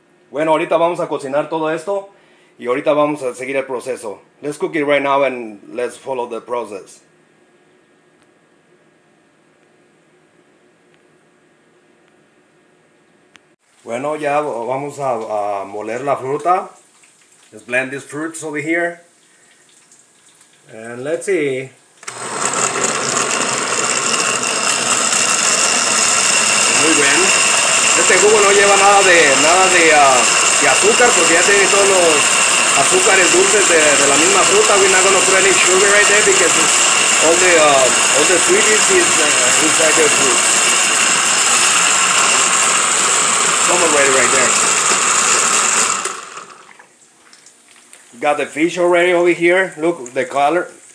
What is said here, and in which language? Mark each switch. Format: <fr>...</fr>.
<es>Bueno, ahorita vamos a cocinar todo esto y ahorita vamos a seguir el proceso.</es> <en>Let's cook it right now and let's follow the process.</en> <es>Bueno, ya vamos a moler la fruta.</es> <en>Let's blend these fruits over here. And let's see.</en> <es>Muy bien. Este jugo no lleva nada de azúcar, porque ya tiene todos los azúcares dulces de la misma fruta.</es> <en>We're not going to put any sugar right there because all the sweetness is inside the fruit. Some already right there. Got the fish already over here. Look the color.</en>